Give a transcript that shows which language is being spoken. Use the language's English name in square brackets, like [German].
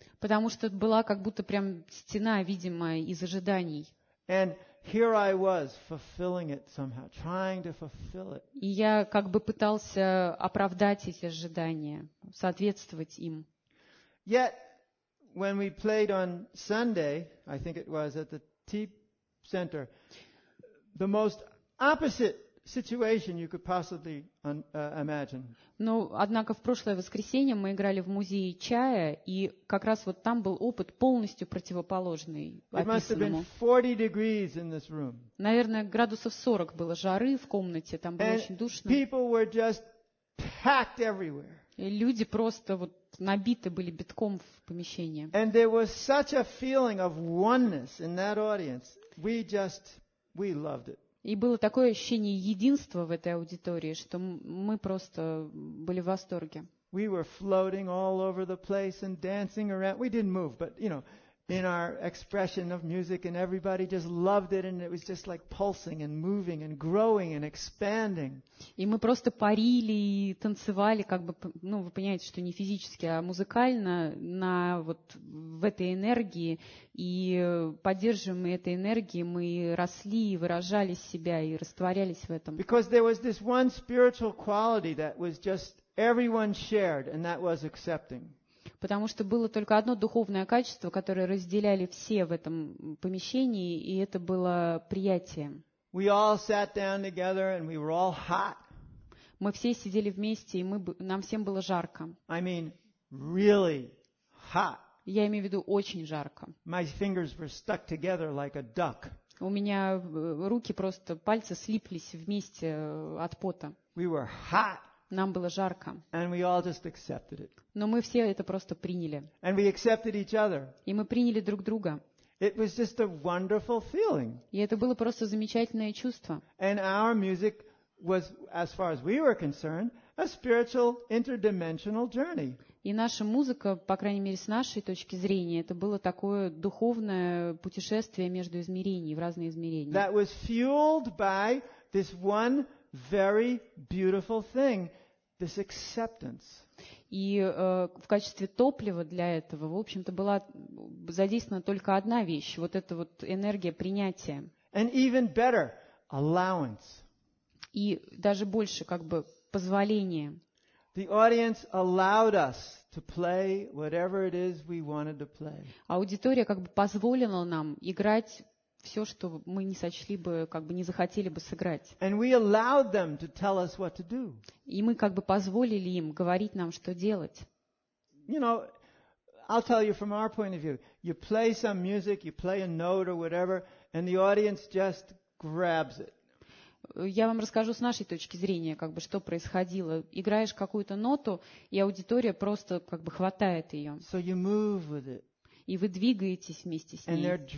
[Russian] Потому что это была как будто прям стена видимая из ожиданий. [English] And here I was fulfilling it somehow, trying to fulfill it. [Russian] И я как бы пытался оправдать эти ожидания, соответствовать им. [English] Yet when we played on Sunday, I think it was at the tea center, the most opposite situation you could possibly imagine. [Russian] Но однако в прошлое воскресенье мы играли в музее чая, и как раз вот там был опыт полностью противоположный описанному. [English] It must have been 40 degrees in this room. [Russian] Наверное, градусов 40 было жары в комнате, там было очень душно. [English] And people were just packed everywhere. [Russian] И люди просто вот набиты были битком в помещении. [English] And there was such a feeling of oneness in that audience. We loved it. [Russian] И было такое ощущение единства в этой аудитории, что мы просто были в восторге. [English] We were floating all over the place and dancing around. We didn't move, but, you know, in our expression of music, and everybody just loved it, and it was just like pulsing and moving and growing and expanding. [Russian] И мы просто парили и танцевали, как бы, ну, вы понимаете, что не физически, а музыкально, на вот в этой энергии, и поддерживаемые этой энергией мы росли и выражали себя и растворялись в этом. [English] Because there was this one spiritual quality that was just everyone shared, and that was accepting. [Russian] Потому что было только одно духовное качество, которое разделяли все в этом помещении, и это было приятие. [English] We all sat down together and we were all hot. [Russian] Мы все сидели вместе, и нам всем было жарко. [English] I mean, really hot. [Russian] Я имею в виду очень жарко. [English] My fingers were stuck together like a duck. [Russian] У меня руки просто, пальцы слиплись вместе от пота. [English] We were hot. [Russian] Нам было жарко. [English] And we all just accepted it. [Russian] Но мы все это просто приняли. [English] And we accepted each other. [Russian] И мы приняли друг друга. [English] It was just a wonderful feeling. [Russian] И это было просто замечательное чувство. [English] And our music was, as far as we were concerned, a spiritual interdimensional journey. [Russian] И наша музыка, по крайней мере, с нашей точки зрения, это было такое духовное путешествие между измерениями, в разные измерения. [English] That was fueled by this one very beautiful thing, this acceptance. [Russian] И в качестве топлива для этого, в общем-то, была задействована только одна вещь, вот эта вот энергия принятия. [English] And even better, allowance. [Russian] И даже больше, как бы, позволение. [English] The audience allowed us to play whatever it is we wanted to play. [Russian] Аудитория как бы позволила нам играть все, что мы не сочли бы, как бы не захотели бы сыграть. [English] And we allowed them to tell us what to do. [Russian] И мы как бы позволили им говорить нам, что делать. [English] You know, I'll tell you from our point of view. You play some music, you play a note or whatever, and the audience just grabs it. [Russian] Я вам расскажу с нашей точки зрения, как бы, что происходило. Играешь какую-то ноту, и аудитория просто как бы хватает ее. [English] So you move with it. И вы двигаетесь вместе с ней.